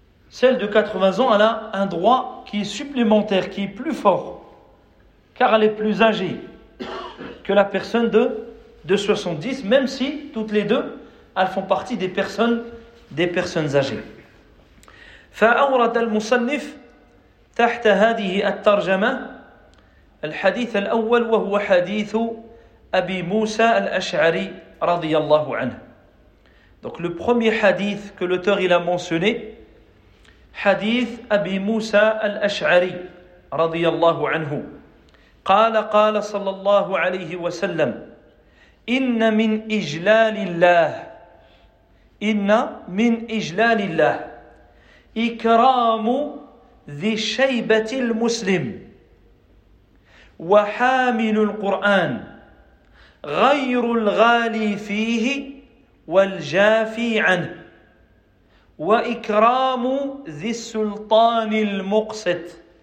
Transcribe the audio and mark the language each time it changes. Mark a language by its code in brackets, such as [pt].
[fr] Celle de 80 ans, elle a un droit qui est supplémentaire, qui est plus fort, car elle est plus âgée que la personne de 70, même si toutes les deux, elles font partie des personnes âgées. [ar] فأورد المصنف تحت هذه الترجمة الحديث الأول وهو حديث أبي موسى الأشعري رضي الله عنه. [fr] Donc le premier hadith que l'auteur il a mentionné, [ar] حديث أبي موسى الأشعري رضي الله عنه. قال صلى الله عليه وسلم إن من إجلال الله إكرام ذي الشيبة المسلم وحامل القرآن غير الغالي فيه والجافي عنه وإكرام ذي السلطان المقسط.